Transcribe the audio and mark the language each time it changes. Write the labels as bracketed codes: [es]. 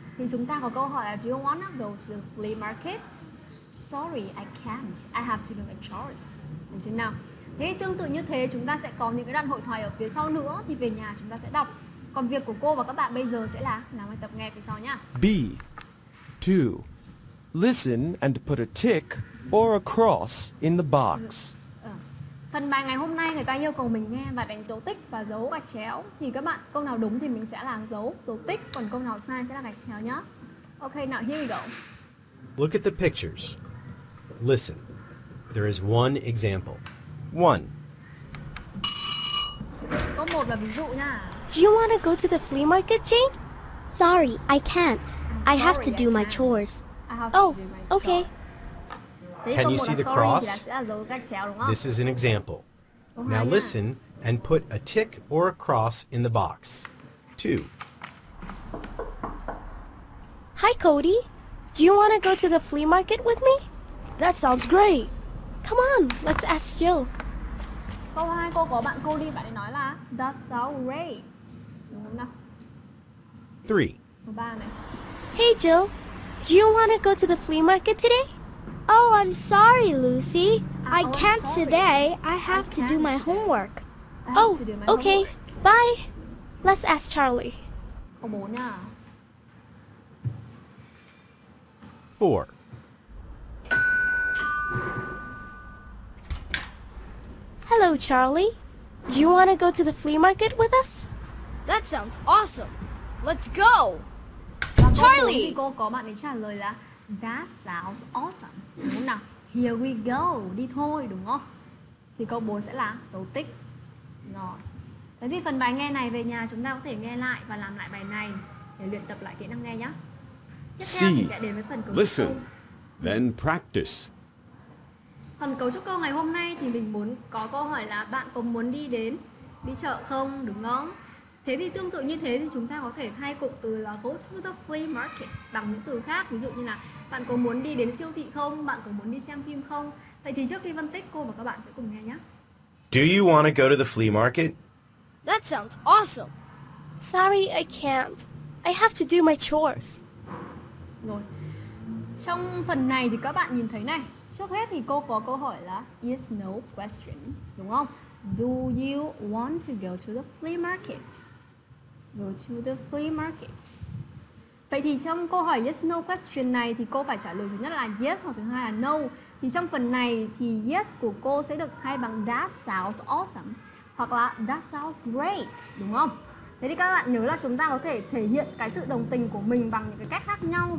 [vi] Thì chúng ta có câu hỏi là [en] do you want to go to the flea market? Sorry, I can't. I have to do my chores. [vi] Được chưa nào? Thế tương tự như thế, chúng ta sẽ có những cái đoạn hội thoại ở phía sau nữa thì về nhà chúng ta sẽ đọc. Còn việc của cô và các bạn bây giờ sẽ là làm bài tập nghe phía sau nhá. [en] B. 2. Listen and put a tick or a cross in the box. [vi] Phần bài ngày hôm nay người ta yêu cầu mình nghe và đánh dấu tích và dấu gạch chéo. Thì các bạn câu nào đúng thì mình sẽ là dấu tích, còn câu nào sai sẽ là gạch chéo nhá. [en] Ok, now here we go. Look at the pictures. Listen. There is one example. 1. [vi] Có một là ví dụ nha. [en] Do you want to go to the flea market, Jane? Sorry, I can't. I have to do my chores. Oh, okay. Can you see the cross? This is an example. Now listen and put a tick or a cross in the box. 2. Hi, Cody. Do you want to go to the flea market with me? That sounds great. Come on, let's ask Jill. [vi] Câu 2 cô có bạn cô đi, bạn ấy nói là [en] that sounds great. [vi] Đúng không nào? [en] 3. [vi] Số 3 này. [en] Hey Jill, do you want to go to the flea market today? Oh, I'm sorry, Lucy. I can't today. I have to do my homework. Oh, okay. Bye. Let's ask Charlie. [vi] Câu 4 nha. [en] 4. Hello, Charlie. Do you want to go to the flea market with us? That sounds awesome. Let's go. Charlie! [vi] Cô có bạn ấy trả lời là [en] that sounds awesome. [vi] Đúng không nào? [en] Here we go. [vi] Đi thôi, đúng không? Thì câu 4 sẽ là dấu tích. Rồi. Thế thì phần bài nghe này về nhà chúng ta có thể nghe lại và làm lại bài này để luyện tập lại kỹ năng nghe nhé. Tiếp theo thì sẽ đến với phần cấu trúc. [en] Listen, then practice. [vi] Phần cấu trúc câu ngày hôm nay thì mình muốn có câu hỏi là bạn có muốn đi chợ không, đúng không? Thế thì tương tự như thế thì chúng ta có thể thay cụm từ là [en] go to the flea market [vi] bằng những từ khác, ví dụ như là bạn có muốn đi đến siêu thị không, bạn có muốn đi xem phim không? Vậy thì trước khi phân tích, cô và các bạn sẽ cùng nghe nhé. [en] Do you want to go to the flea market? That sounds awesome. Sorry, I can't. I have to do my chores. [vi] Rồi. Trong phần này thì các bạn nhìn thấy này. Trước hết thì cô có câu hỏi là [en] yes no question, [vi] đúng không? [en] Do you want to go to the flea market? Go to the flea market. [vi] Vậy thì trong câu hỏi [en] yes no question [vi] này thì cô phải trả lời thứ nhất là yes hoặc thứ hai là no. Thì trong phần này thì yes của cô sẽ được thay bằng [en] that sounds awesome [vi] hoặc là [en] that sounds great, [vi] đúng không? Thế thì các bạn nhớ là chúng ta có thể thể hiện cái sự đồng tình của mình bằng những cái cách khác nhau.